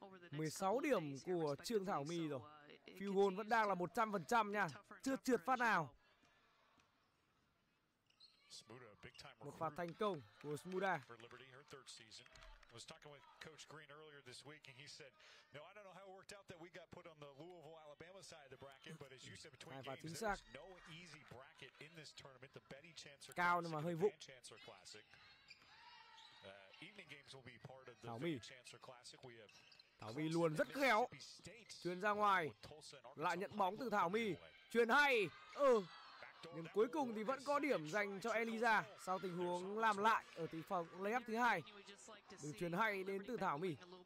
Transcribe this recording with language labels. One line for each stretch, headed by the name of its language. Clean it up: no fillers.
Vietnamese: 16 điểm của Trương Thảo My rồi. Field goal vẫn đang là 100% nha. Chưa trượt phát nào. Một pha thành công của Smuda.
English: Was talking with Coach Green earlier this week, and he said, "No, I don't know how it worked out that we got put on the Louisville, Alabama side of the bracket, but as you said between games, there's no easy bracket in this tournament. The Betty Chancellor Classic, the Van Chancellor Classic. Evening games will be part of the Van Chancellor Classic. We have
Vietnamese: Thảo Vy luôn rất khéo, truyền ra ngoài, lại nhận bóng từ Thảo Vy, truyền hay, nhưng cuối cùng thì vẫn có điểm dành cho Eliza sau tình huống làm lại ở tình phòng layup thứ hai. Đường truyền hay đến từ Thảo Mỹ.